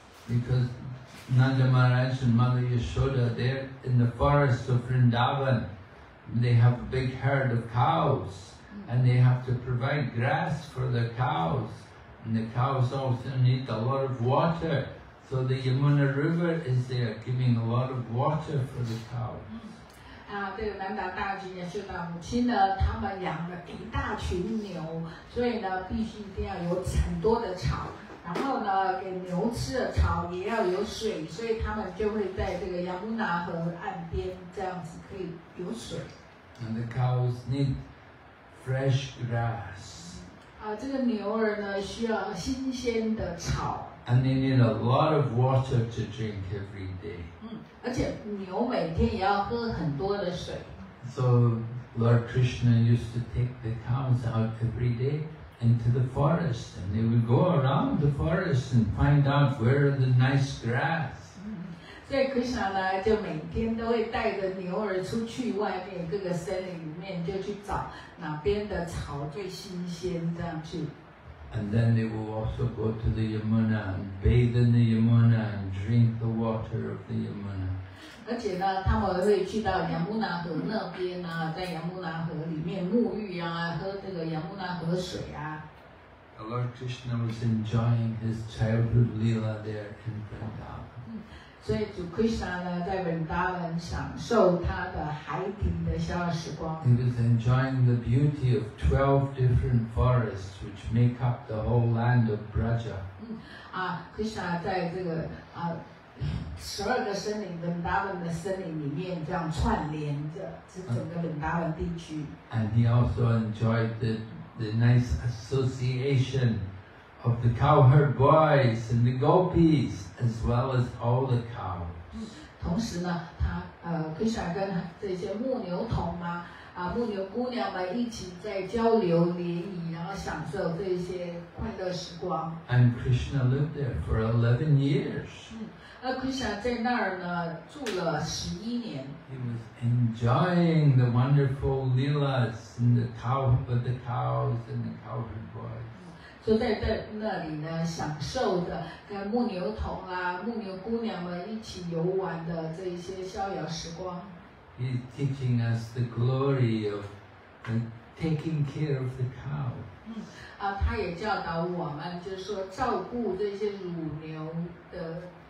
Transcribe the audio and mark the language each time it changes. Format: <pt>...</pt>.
<en>Because Nanda Maharaj and Mother Yashoda, they're in the forests of Vrindavan. They have a big herd of cows, and they have to provide grass for the cows. And the cows also need a lot of water. So the Yamuna River is there, giving a lot of water for the cows.</en> <zh>这个南达大君也是他母亲呢，他们养了一大群牛，所以呢，必须一定要有很多的草，然后呢，给牛吃的草也要有水，所以他们就会在这个 Yamuna 河岸边这样子可以有水。</zh> <en>And the cows need fresh grass.</en> <zh>这个牛儿呢，需要新鲜的草。</zh> <en>And they need a lot of water to drink every day.</en> <zh>而且牛每天也要喝很多的水。</zh> <en>So Lord Krishna used to take the cows out every day into the forest, and they would go around the forest and find out where are the nice grass.</en> <zh>所以 Krishna 呢，就每天都会带着牛儿出去外面各个森林里面，就去找哪边的草最新鲜，这样去。</zh> <en>And then they will also go to the Yamuna and bathe in the Yamuna and drink the water of the Yamuna.</en> <zh>而且呢，他们会去到 Yamuna 河那边啊，在 Yamuna 河里面沐浴啊，喝这个 Yamuna 河水啊。</zh> <en>The Lord Krishna was enjoying his childhood leela there in Vrindavan.</en> <zh>所以主 Krishna 呢，在 Vrindavan 享受他的孩提的逍遥时光。</zh> <en>He was enjoying the beauty of 12 different forests which make up the whole land of Braja.</en> <zh>Krishna 在这个12个森林 Vrindavan 的森林里面这样串联着整个 Vrindavan 地区。</zh> <en>And he also enjoyed the nice association of the cowherd boys and the gopis, as well as all the cows.</en> <zh>同时呢，他Krishna 跟这些牧牛童嘛，牧牛姑娘们一起在交流联谊，然后享受这些快乐时光。</zh> <en>And Krishna lived there for 11 years.</en> <zh>那 Krishna 在那儿呢，住了11年。</zh> <en>He was enjoying the wonderful leelas and the cow with the cows and the cowherd boys.</en> <zh>就在那里呢，享受着跟牧牛童啊、牧牛姑娘们一起游玩的这一些逍遥时光。</zh> <en>He's teaching us the glory of taking care of the cow.</en> <zh>他也教导我们，就是说照顾这些乳牛的。</zh>